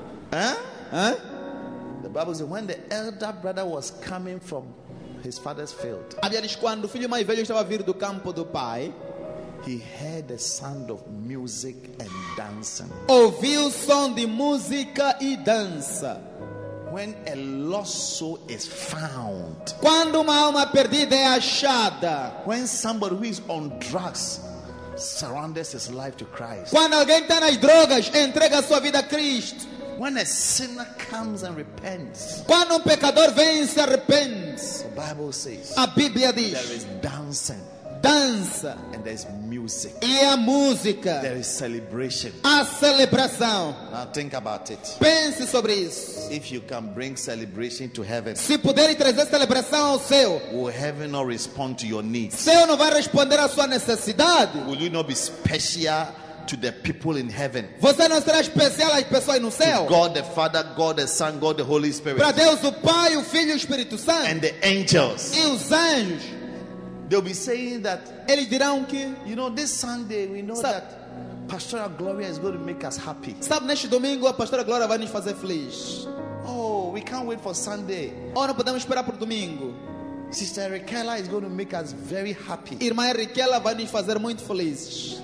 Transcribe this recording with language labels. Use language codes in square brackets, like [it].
[en] The Bible says when the elder brother was coming from his father's field, [pt] a Bíblia diz quando o filho mais velho estava vindo do campo do pai, [en] he heard the sound of music and dancing, [pt] ouviu o som de música e dança. [en] When a lost soul is found. [pt] Quando uma alma perdida é achada. [en] When somebody who is on drugs surrenders his life to Christ. [pt] Quando alguém está nas drogas entrega sua vida a Cristo. [en] When a sinner comes and repents. [pt] Quando pecador vem e se arrepende. [en] The Bible says. [pt] A Bíblia diz. [en] There is dancing. [pt] Dança. [en] And there's music. [pt] E a música. [en] There is celebration. [pt] A celebração. [en] Now think about it. [pt] Pense sobre isso. [en] If you can bring celebration to heaven. [pt] Se puder trazer celebração ao céu. [en] Will heaven not respond to your needs? [pt] Céu não vai responder à sua necessidade? [en] Will you not be special to the people in heaven. [pt] Você não será especial às pessoas no céu. [en] To God the Father, God the Son, God the Holy Spirit. [pt] Para Deus o Pai, o Filho e o Espírito Santo. [en] And the angels. [pt] E os anjos. [en] They'll be saying that. [pt] Eles dirão que, [en] you know, this Sunday we know that Pastora Gloria is going to make us happy. [pt] Sabe, neste domingo a Pastora Gloria vai nos fazer feliz. [en] Oh, we can't wait for Sunday. [pt] Oh, não podemos esperar por domingo. [en] Sister Riquela is going to make us very happy. [pt] Irmã Riquela vai nos fazer muito feliz.